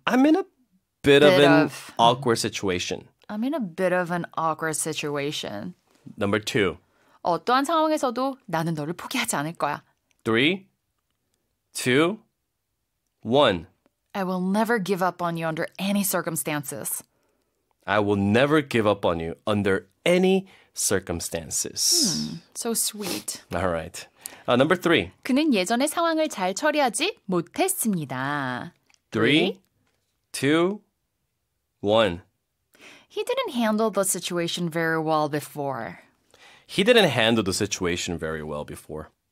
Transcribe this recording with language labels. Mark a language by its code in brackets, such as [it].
[en] I'm in a bit of an awkward situation. I'm in a bit of an awkward situation. Number two. [ko] 어떠한 상황에서도 나는 너를 포기하지 않을 거야. [en] Three, two, one. I will never give up on you under any circumstances. I will never give up on you under any circumstances. So sweet. All right. Number three. [ko] 그는 예전의 상황을 잘 처리하지 못했습니다. [en] Three, two, one. He didn't handle the situation very well before. He didn't handle the situation very well before.